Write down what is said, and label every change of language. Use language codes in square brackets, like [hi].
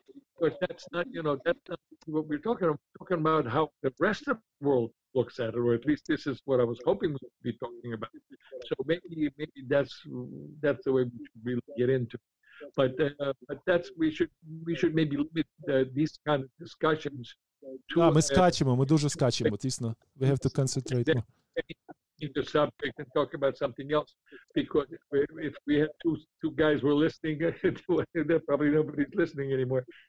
[en] Because that's not, you know, that's not what we're talking about. We're talking about how the rest of the world looks at it, or at least this is what I was hoping we'd be talking about. So maybe that's the way we should really get into it. But that's we should maybe limit these kind of discussions to. [uk] Ah, ми скачемо, ми дуже скачемо, дійсно. [en] We have to concentrate more. In the subject and talk about something else, because if we had two guys were listening, then probably nobody's listening anymore.